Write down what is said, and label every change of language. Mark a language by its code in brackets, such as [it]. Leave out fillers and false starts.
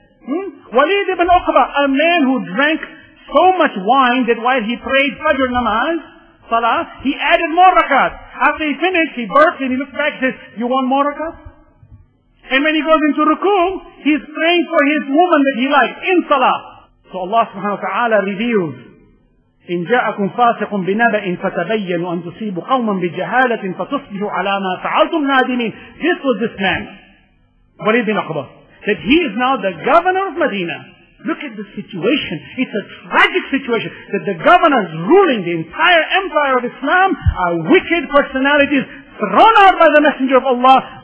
[en] Walid ibn Uqba, a man who drank so much wine that while he prayed Fajr namaz, salah, he added more rakat. After he finished, he burped and he looked back and says, you want more rakat? And when he goes into ruku, he's praying for his woman that he likes in salah. So Allah subhanahu wa ta'ala reveals, [ar] إِن جَاءَكُمْ فَاسِقٌ بِنَبَئٍ فَتَبَيَّنُوا أَن تُصِيبُوا قَوْمًا بِجَهَالَةٍ فَتُصْبِحُوا عَلَى مَا فَعَلْتُمْ نَادِمِينَ. [en] This was this man, Walid ibn Uqba, that he is now the governor of Medina. Look at the situation. It's a tragic situation that the governors ruling the entire empire of Islam are wicked personalities thrown out by the Messenger of Allah.